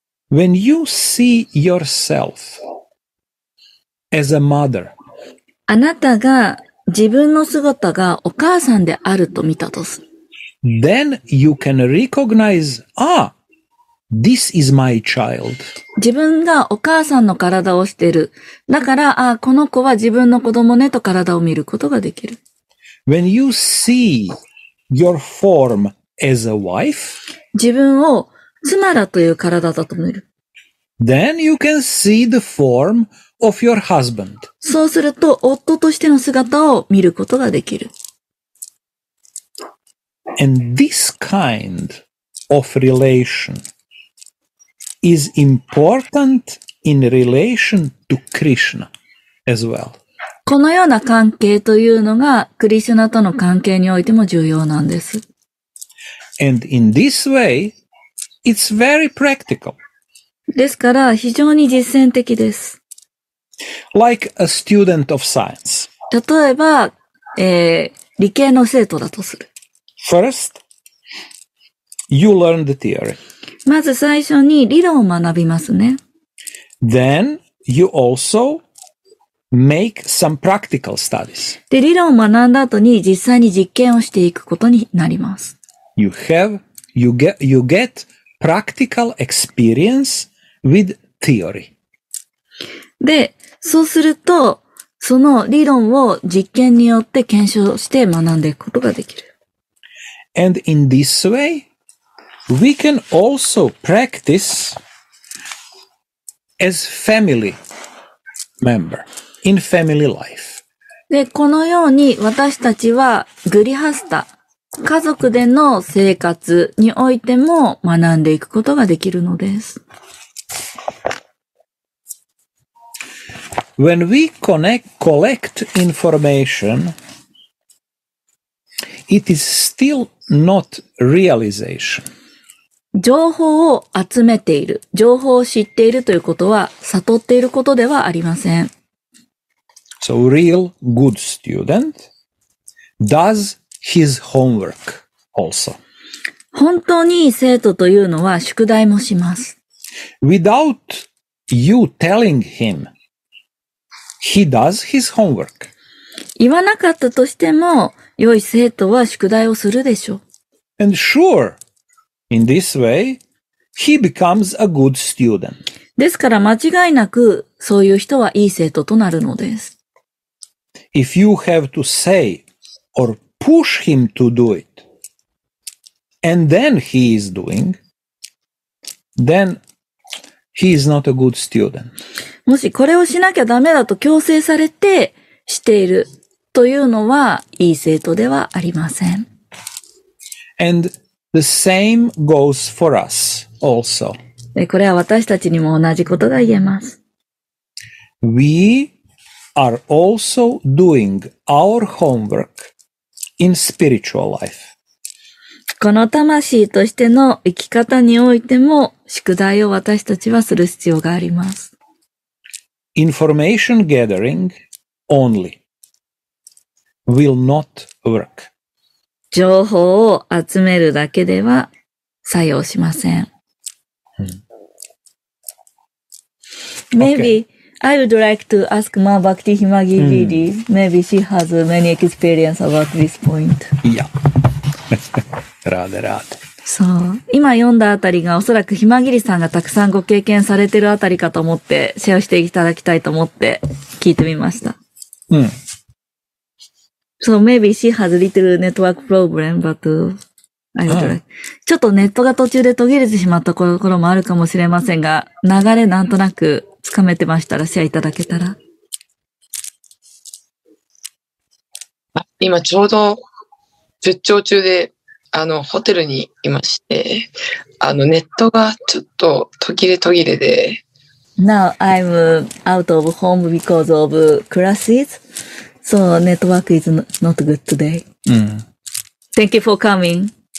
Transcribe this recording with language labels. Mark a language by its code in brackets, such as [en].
[en] When you see yourself,As a mother. [ja] あなたが自分の姿がお母さんであると見たとする。 [en] Then you can recognize, ah, this is my child. [ja] 自分がお母さんの体をしている。だから、ah, この子は自分の子供ねと体を見ることができる。 [en] When you see your form as a wife, [ja] 自分を妻らという体だと見る。 [en] Then you can see the formOf your husband. [ja] そうすると、夫としての姿を見ることができる。 [en] And this kind of relation is important in relation to Krishna as well. [ja] このような関係というのが、クリシュナとの関係においても重要なんです。 [en] And in this way, it's very practical. [ja] ですから、非常に実践的です。 [en] Like a student of science. [ja] 例えば、理系の生徒だとする。 [en] First, you learn the theory. [ja] まず最初に理論を学びますね。 [en] Then, you also make some practical studies. [ja] で、理論を学んだ後に実際に実験をしていくことになります。 [en] You get practical experience with theory. [ja] で、そうすると、その理論を実験によって検証して学んでいくことができる。 [en] And in this way, we can also practice as family member in family life. [ja] で、このように私たちはグリハスタ、家族での生活においても学んでいくことができるのです。 [en] When we collect information, it is still not realization. [ja] 情報を集めている、情報を知っているということは悟っていることではありません。 [en] So real good student does his homework also. [ja] 本当にいい生徒というのは宿題もします。 [en] Without you telling him,He does his homework. [ja] 言わなかったとしても、良い生徒は宿題をするでしょう。 [en] And sure, in this way, he becomes a good student. [ja] ですから間違いなく、そういう人は良い生徒となるのです。 [en] If you have to say or push him to do it, and then he is doing, then he is not a good student. [ja] もしこれをしなきゃダメだと強制されてしているというのはいい生徒ではありません。 [en] And the same goes for us also. [ja] これは私たちにも同じことが言えます。 [en] We are also doing our homework in spiritual life. [ja] この魂としての生き方においても宿題を私たちはする必要があります。 [en] Information gathering only will not work. [ja] 情報を集めるだけでは作用しません。 [en] Maybe I would like to ask Ma Bhakti Himagi Didi. Maybe she has many experience about this point. Yeah. Rade, rade. [ja] そう。今読んだあたりがおそらくひまぎりさんがたくさんご経験されてるあたりかと思ってシェアしていただきたいと思って聞いてみました。うん。 [en] So maybe she has a little network problem, but [ja] ちょっとネットが途中で途切れてしまったところもあるかもしれませんが、流れなんとなくつかめてましたらシェアいただけたら。あ、今ちょうど出張中で、ホテルにいまして、ネットがちょっと途切れ途切れで。 [en] Now I'm out of home because of classes, so network is not good today.、Thank you for coming.